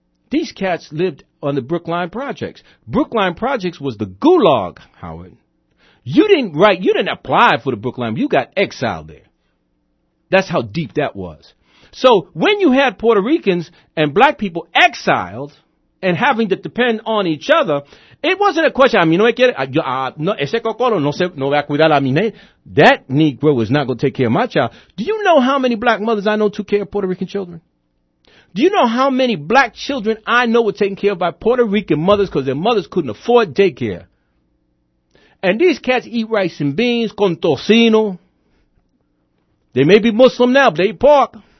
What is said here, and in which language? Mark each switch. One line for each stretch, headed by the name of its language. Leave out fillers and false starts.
English: These cats lived on the Brookline Projects. Brookline Projects was the gulag, Howard. You didn't apply for the Brookline. You got exiled there. That's how deep that was. So when you had Puerto Ricans and black people exiled and having to depend on each other, it wasn't a question. I mean,
Spanish: ese cocoro no va a cuidar a mi niña.
English: That Negro is not going to take care of my child. Do you know how many black mothers I know took care of Puerto Rican children? Do you know how many black children I know were taken care of by Puerto Rican mothers because their mothers couldn't afford daycare? And these cats eat rice and beans
Spanish: con tocino.
English: They may be Muslim now, but they eat pork.